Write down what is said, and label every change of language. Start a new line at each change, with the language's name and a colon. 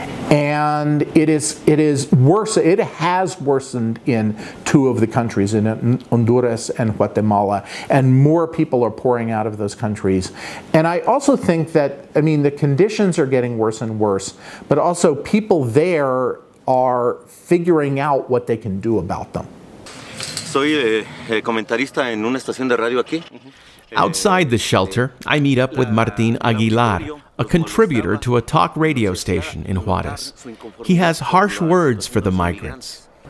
English: And it is worse. It has worsened in two of the countries, in Honduras and Guatemala, and more people are pouring out of those countries. And I also think that, I mean, the conditions are getting worse and worse, but also people there are figuring out what they can do about them.
Spanish: Soy comentarista en una estación de radio aquí.
English: Outside the shelter, I meet up with Martin Aguilar, a contributor to a talk radio station in Juarez. He has harsh words for the migrants.